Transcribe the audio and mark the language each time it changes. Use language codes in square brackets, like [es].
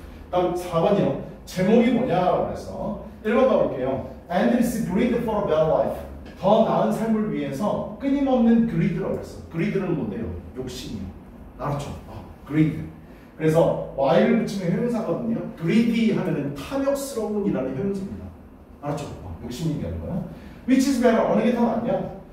[ko] 다음 4번이요. 제목이 뭐냐라고 해서 1번 가볼게요. [en] And it's greed for a better life. [ko] 더 나은 삶을 위해서 끊임없는 greed라고 했어. greed는 뭔데요? 욕심이요. 알았죠? 아, greed. 그래서 why를 붙이면 형용사거든요. greedy 하면은 탐욕스러운이라는 형용사입니다. 알았죠? 아, 욕심 얘기하는 거야. [en] Which is better? [ko] 어느 게 더 낫냐?